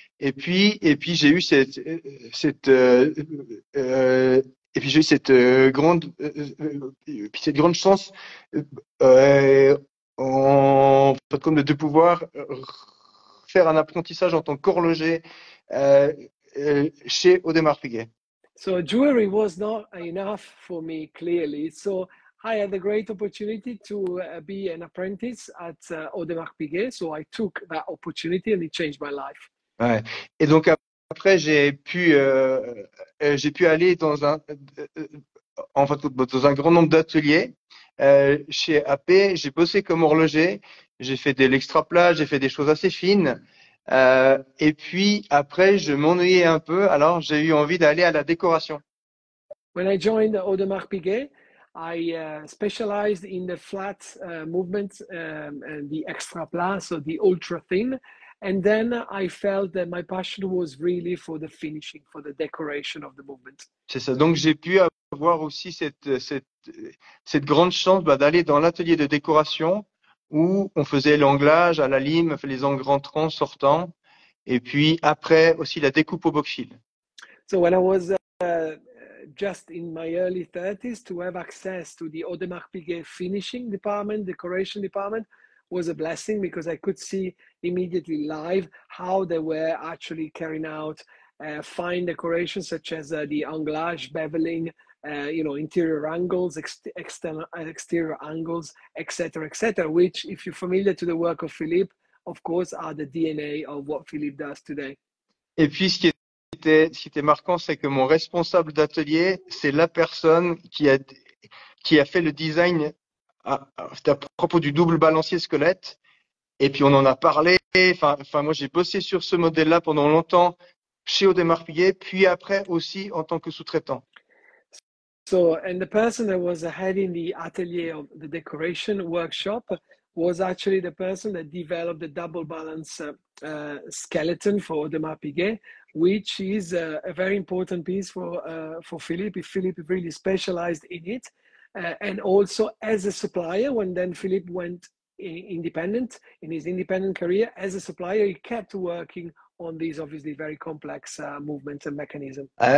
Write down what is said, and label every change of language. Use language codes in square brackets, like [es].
[fr] Et puis j'ai eu cette grande chance de pouvoir faire un apprentissage en tant qu'horloger chez Audemars Piguet. [en] So jewelry was not enough for me, clearly. So I had the great opportunity to be an apprentice at Audemars Piguet, so I took that opportunity and it changed my life. [fr] Ouais. Et donc après j'ai pu aller dans un grand nombre d'ateliers chez AP. J'ai bossé comme horloger, j'ai fait de l'extraplat, j'ai fait des choses assez fines. Et puis après je m'ennuyais un peu, alors j'ai eu envie d'aller à la décoration. [en] When I joined Audemars Piguet, I specialized in the flat movements and the extra plat, so the ultra thin. And then I felt that my passion was really for the finishing, for the decoration of the movement. [fr] C'est ça. Donc j'ai pu avoir aussi cette grande chance d'aller dans l'atelier de décoration où on faisait l'anglage à la lime, les encres entrant, sortant, et puis après aussi la découpe au boxil. [en] So when I was just in my early 30s, to have access to the Audemars Piguet finishing department, decoration department, was a blessing because I could see immediately live how they were actually carrying out fine decorations such as the anglage, beveling, interior angles, exterior angles, etc., etc., which, if you're familiar to the work of Philippe, of course, are the DNA of what Philippe does today. [fr] Et puis, ce qui était marquant, c'est que mon responsable d'atelier, c'est la personne qui a fait le design à propos du double balancier squelette. Et puis, on en a parlé. Enfin, moi, j'ai bossé sur ce modèle-là pendant longtemps chez Audemars Piguet, puis après aussi en tant que sous-traitant. [en] So, and the person that was ahead in the atelier of the decoration workshop was actually the person that developed the double balance skeleton for Audemars Piguet, which is a very important piece for Philippe. Philippe really specialized in it. And also as a supplier, when then Philippe went independent, in his independent career, as a supplier, he kept working on these obviously very complex movements and mechanisms.